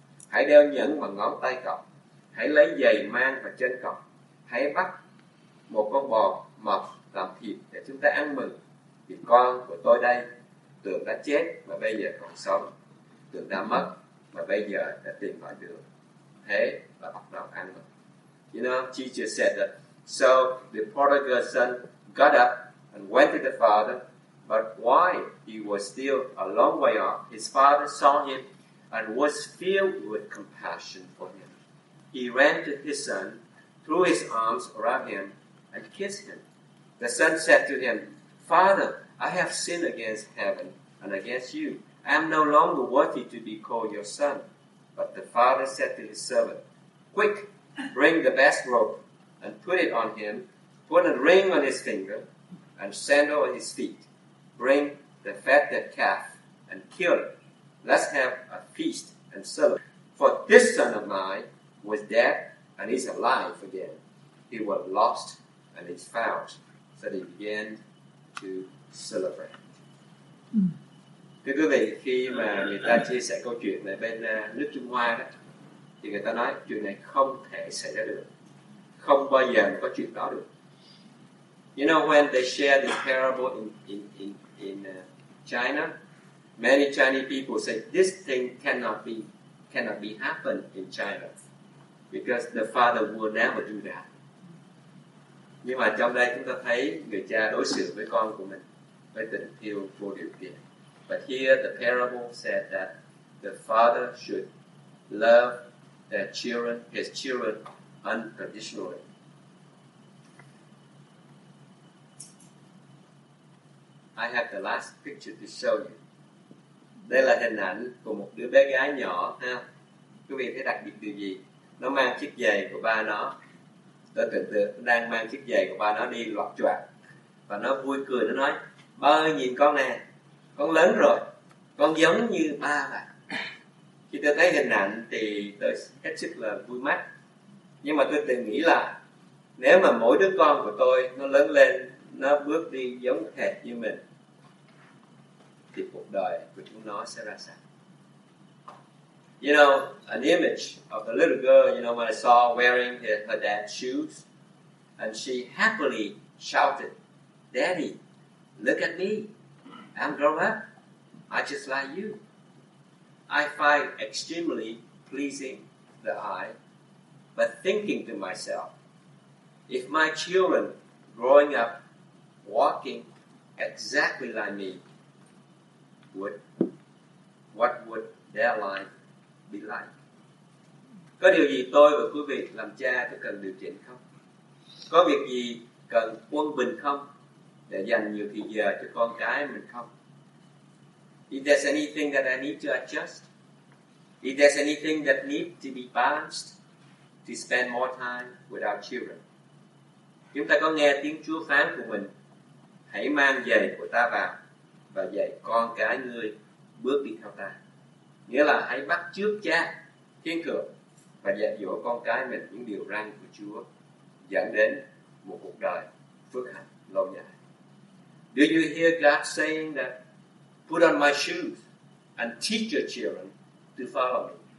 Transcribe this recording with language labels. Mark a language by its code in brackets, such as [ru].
[vi] Hãy đeo nhẫn vào ngón tay cậu. Hãy lấy giày mang vào chân cậu. Hãy bắt một con bò mọc làm thịt để chúng ta ăn mừng. Vì con của tôi đây, tưởng đã chết mà bây giờ còn sống. Tưởng đã mất mà bây giờ đã tìm lại được. Thế là bắt đầu ăn mừng. [en] You know, Jesus said that, so the prodigal son got up and went to the father, but while he was still a long way off, his father saw him and was filled with compassion for him. He ran to his son, threw his arms around him, and kissed him. The son said to him, Father, I have sinned against heaven and against you. I am no longer worthy to be called your son. But the father said to his servant, Quick, bring the best robe and put it on him, put a ring on his finger and sandal on his feet. Bring the fatted calf and kill it. Let's have a feast and celebrate. For this son of mine was dead and is alive again. He was lost and is found. So they began to celebrate. [vi] Thưa quý vị, khi mà người ta chia sẻ câu chuyện về bên nước Trung Hoa đó, thì người ta nói chuyện này không thể xảy ra được. Không bao giờ có chuyện đó được. [en] You know, when they share this parable in China, many Chinese people say this thing cannot be happen in China because the father will never do that. [vi] Nhưng mà trong đây chúng ta thấy người cha đối xử với con của mình với tình yêu vô điều kiện. [en] But here the parable said that the father should love their children, his children, unconditionally. I have the last picture to show you. [vi] Đây là hình ảnh của một đứa bé gái nhỏ ha. Quý vị thấy đặc biệt điều gì? Nó mang chiếc giày của ba nó. Tôi tưởng tượng nó đang mang chiếc giày của ba nó đi loạt choạc. Và nó vui cười, nó nói: ba ơi, nhìn con nè, con lớn rồi, con giống như ba vậy. Khi tôi thấy hình ảnh thì tôi hết sức là vui mắt. Nhưng mà tôi từng nghĩ là nếu mà mỗi đứa con của tôi nó lớn lên, nó bước đi giống hệt như mình, thì cuộc đời của chúng nó sẽ ra sao? [en] You know, an image of the little girl, you know, when I saw wearing her dad's shoes, and she happily shouted, "Daddy, look at me. I'm grown up. I just like you." I find extremely pleasing the eye, but thinking to myself, if my children growing up walking exactly like me, what would their life be like? [vi] Có điều gì tôi và quý vị làm cha tôi cần điều chỉnh không? Có việc gì cần quân bình không để dành nhiều thời giờ cho con cái mình không? [en] Is there anything that I need to adjust? Is there anything that needs to be balanced to spend more time with our children? [vi] Chúng ta có nghe tiếng Chúa phán của mình: hãy mang giày của ta vào và dạy con cái ngươi bước đi theo ta. Nghĩa là hãy bắt chước cha thiên thượng và dạy dỗ con cái mình những điều răn của Chúa, dẫn đến một cuộc đời phước hạnh lâu dài. [en] Do you hear God saying that, put on my shoes and teach your children to follow me?